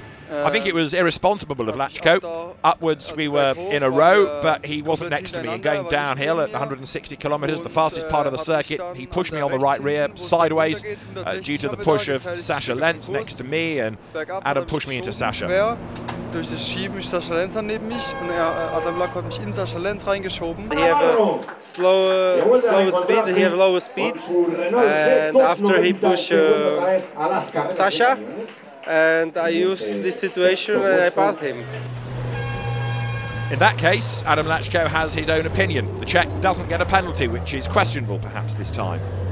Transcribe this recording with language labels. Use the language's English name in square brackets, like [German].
[English] I think it was irresponsible of Lachko. Upwards we were in a row, but he wasn't next to me. Going downhill at 160 kilometres, the fastest part of the circuit, he pushed me on the right rear, sideways, due to the push of Sascha Lenz next to me, and Adam pushed me into Sascha. [German] Durch das Schieben ist Sascha Lenz dann neben mich und Adam Lachko hat mich in Sascha Lenz reingeschoben. [English] He had a slower speed, he had a lower speed, and after he pushed Sascha, and I used this situation and I passed him. In that case, Adam Lachko has his own opinion. The Czech doesn't get a penalty, which is questionable perhaps this time.